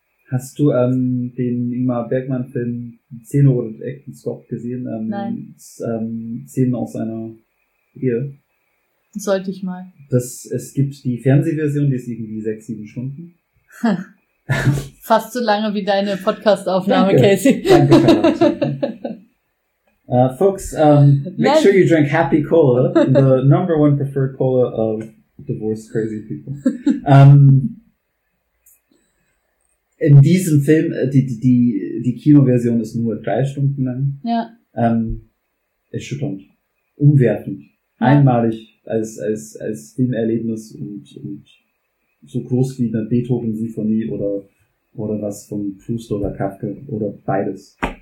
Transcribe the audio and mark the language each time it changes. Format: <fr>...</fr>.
<de>Hast du den Ingmar Bergman-Film Szene oder Acting Stop gesehen? Nein. Szenen aus einer Ehe? Sollte ich mal. Es gibt die Fernsehversion, die ist irgendwie 6-7 Stunden. Fast so lange wie deine Podcast-Aufnahme, danke. Casey. Danke.</de> <en>Folks, make sure you drink happy cola, the number one preferred cola of divorced crazy people.</en> <de>In diesem Film, die Kinoversion ist nur 3 Stunden lang. Ja. Erschütternd. Umwertend. Ja. Einmalig als Filmerlebnis und so groß wie eine Beethoven-Sinfonie oder was von Proust oder Kafka oder beides.</de>